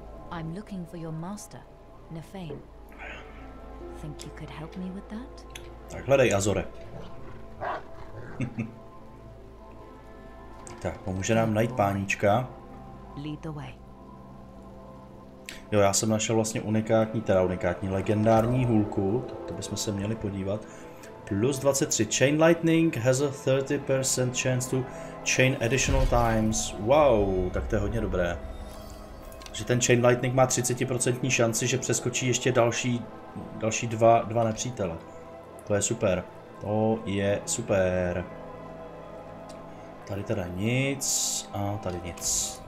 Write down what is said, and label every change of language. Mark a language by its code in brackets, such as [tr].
[en] I'm looking for your master, Nefane. Think you could help me with that? [cs] Tak hledej Azore. Tak, pomůže nám najít pánička. [en] Lead the way. [cs] Jo, já jsem našel vlastně unikátní, teda unikátní, legendární hůlku, to bychom se měli podívat. [en] Plus 23, chain lightning has a 30% chance to chain additional times. [cs] Wow, tak to je hodně dobré. Že ten chain lightning má 30% šanci, že přeskočí ještě další dva nepřítele. To je super. To je super. Tady teda nic a tady nic.